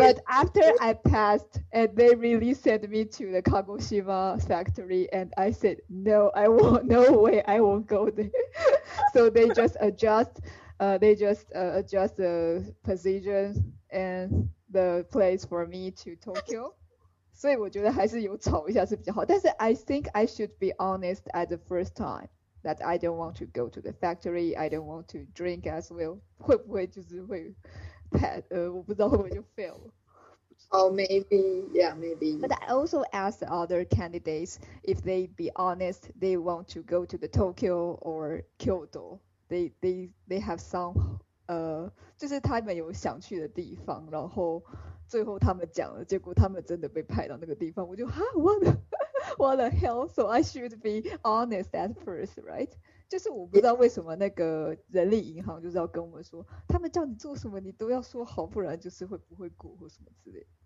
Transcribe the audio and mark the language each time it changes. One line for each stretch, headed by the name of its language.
English: but after I passed, and they really sent me to the Kagoshima factory, and I said, no, I won't, no way, I won't go there. So they just adjust the position and the place for me to Tokyo.
Chinese: 所以我觉得还是有吵一下是比较好。但是
English: I think I should be honest at the first time that I don't want to go to the factory, I don't want to drink as well.
Chinese: 会不会就是会 pad, 我不知道会不会就 fail
English: 了。Oh, maybe. Yeah, maybe. But I also asked the other candidates if they be honest, they want to go to the Tokyo or Kyoto. They have some,
Chinese: 就是他们有想去的地方，然后最后他们讲了，结果他们真的被派到那个地方，我就哈
English: what the hell? So I should be honest at first, right?
Chinese: 就是我不知道为什么那个人力银行就是要跟我们说，他们叫你做什么你都要说好，不然就是会不会过或什么之类。